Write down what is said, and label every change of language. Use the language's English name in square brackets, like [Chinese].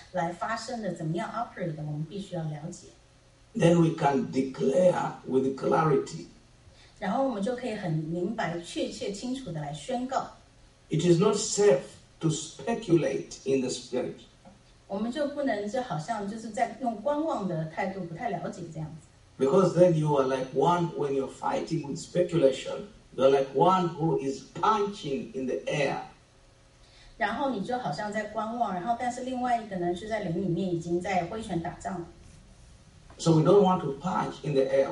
[Chinese] 所以我们现在就必须要有一个很重要的启示，就是我们现在灵界里面他们是怎么样来发生的，怎么样operate的，我们必须要了解。 [English] Then we can declare with clarity. [Chinese] 然后我们就可以很明白、确切、清楚的来宣告。 [English] It is not safe to speculate in the spirit. [Chinese] 我们就不能就好像就是在用观望的态度，不太了解这样子。 [English] Because then you are like one when you're fighting with speculation. You're like one who is punching in the air. [Chinese] 然后你就好像在观望，然后但是另外一个呢，就在灵里面已经在挥拳打仗了。 [English] So we don't want to punch in the air.